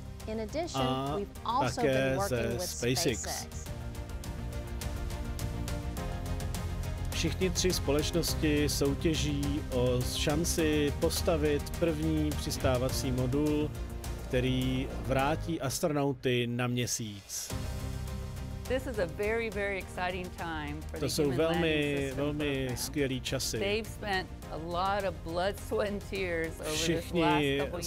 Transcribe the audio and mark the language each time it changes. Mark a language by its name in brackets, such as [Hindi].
[English] In addition, we've also been working with SpaceX. [Czech] Všichni tři společnosti soutěží o šanci postavit první přistávací modul, který vrátí astronauty na měsíc. [English] This is a very, very exciting time for the human landing system program. They've spent a lot of blood, sweat, and tears over this last couple years.